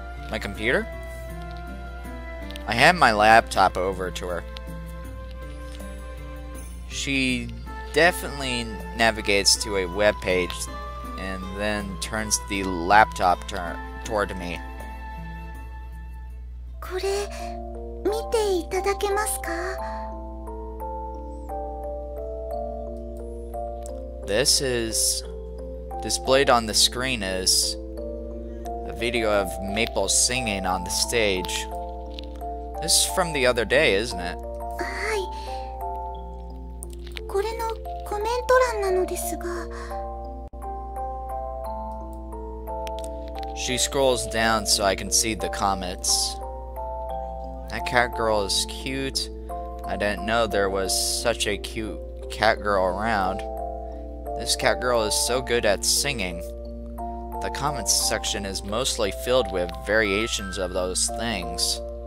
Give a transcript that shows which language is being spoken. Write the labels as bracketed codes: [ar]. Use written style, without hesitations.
[en] My computer? I hand my laptop over to her. She definitely navigates to a webpage and then turns the laptop toward me. [ja] これ見ていただけますか? [en] This is displayed on the screen is a video of Maple singing on the stage. This is from the other day, isn't it? [ja] はい。これのコメント欄なのですが。 [en] She scrolls down so I can see the comments. That cat girl is cute. I didn't know there was such a cute cat girl around. This cat girl is so good at singing. The comments section is mostly filled with variations of those things.